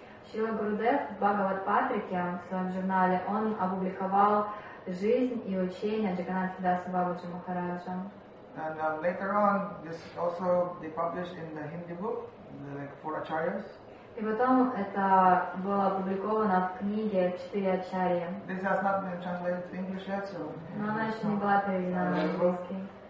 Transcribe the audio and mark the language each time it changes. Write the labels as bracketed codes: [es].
[ru] Srila Gurudev в Bhagavad Patrika, в своем журнале, он опубликовал жизнь и учения Джаганнатхадаса Бабаджи Махараджа. [en] And later on, this also they published in the Hindi book, like Four Acharyas. [ru] И потом это было опубликовано в книге «Четыре ачарьи». [en] This has not been translated to English yet, so. [ru] Но она еще не была переведена на английский.